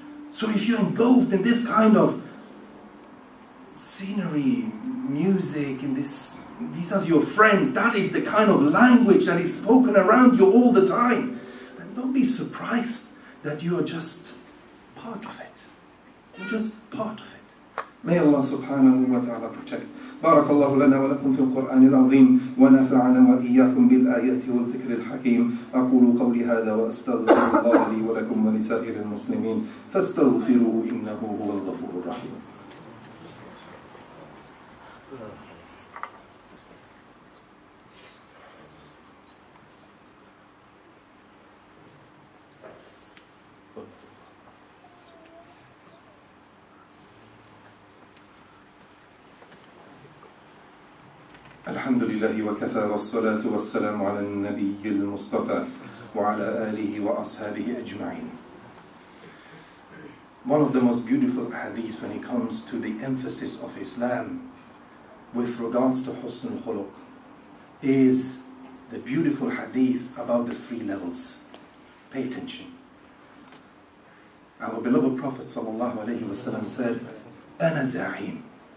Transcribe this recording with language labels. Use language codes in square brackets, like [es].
[en] So if you're engulfed in this kind of scenery, music, in this, these are your friends, that is the kind of language that is spoken around you all the time, then don't be surprised that you are just part of it. You're just part of it. May Allah subhanahu wa ta'ala protect. [ar] بارك الله لنا ولكم في القرآن العظيم ونفعنا وإياكم بالآيات والذكر الحكيم أقول قولي هذا وأستغفر الله لي ولكم ولسائر المسلمين فاستغفروه إنه هو الغفور الرحيم. الحمد لله وكفى والصلاة والسلام على النبي المصطفى وعلى آله وأصحابه أجمعين. [en] One of the most beautiful hadiths when it comes to the emphasis of Islam with regards to husnul khuluq is the beautiful hadith about the three levels. Pay attention. Our beloved Prophet صلى الله عليه وسلم said, [ar] أنا زعيم.